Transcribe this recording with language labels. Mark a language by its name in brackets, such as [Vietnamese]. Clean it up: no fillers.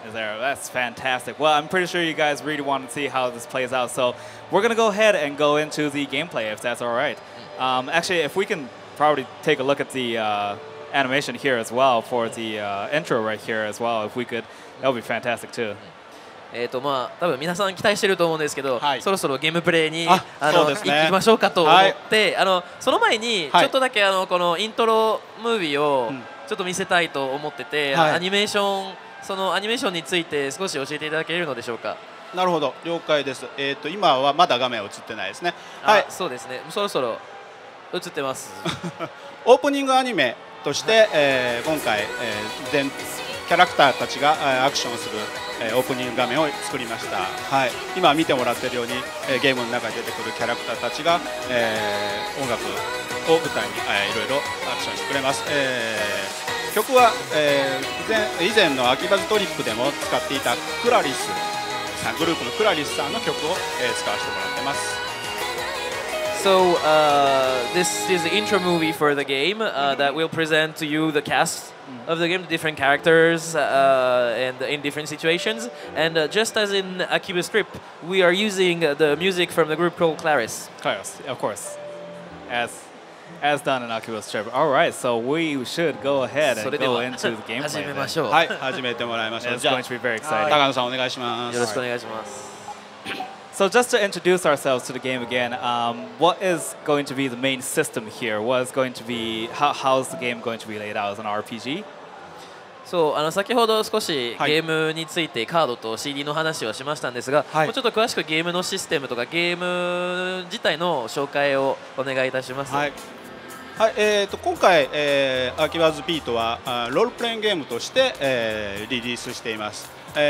[English] Is there? That's fantastic. Well, I'm pretty sure you guys really want to see how this plays out, so we're going to go ahead and go into the gameplay, if that's all right. Actually, if we can probably take a look at the animation here as well for the intro right here as well, if we could, that would be fantastic too. [Japanese] まあ、多分皆さん期待してると思うんですけど、はい、そろそろゲームプレイに行、ね、きましょうかと思って、はい、その前にちょっとだけ、はい、このイントロムービーをちょっと見せたいと思ってて、はい、アニメーション、そのアニメーションについて少し教えていただけるのでしょうか。なるほど、了解です。今はまだ画面映ってないですね。はい、そうですね、そろそろ映ってます。オープニングアニメとして、はい、今回、キャラクターたちがアクションするオープニング画面を作りました。はい、今見てもらっているようにゲームの中に出てくるキャラクターたちが、音楽を舞台にいろいろアクションしてくれます。曲は、以前のアキバズトリップでも使っていたクラリスさん、グループのクラリスさんの曲を、使わせてもらってます。 [English] So, this is the intro movie for the game that will present to you the cast of the game, the different characters and in different situations. And just as in Akiba's trip, we are using the music from the group called Claris. Claris, of course. As done in Akiba's trip. All right, so we should go ahead and go into the gameplay. Let's start. Yes, let's start. It's going to be very exciting. Takano-san, please. Thank you very much. So just to introduce ourselves to the game again, what is going to be the main system here? What is going to be, how is the game going to be laid out as an RPG? [Japanese] So, 先ほど少しゲームについてカードと CD の話をしましたんですが、はい、もうちょっと詳しくゲームのシステムとかゲーム自体の紹介をお願いいたします。はい。はい、今回、アキバズビートはロールプレインゲームとして、リリースしています。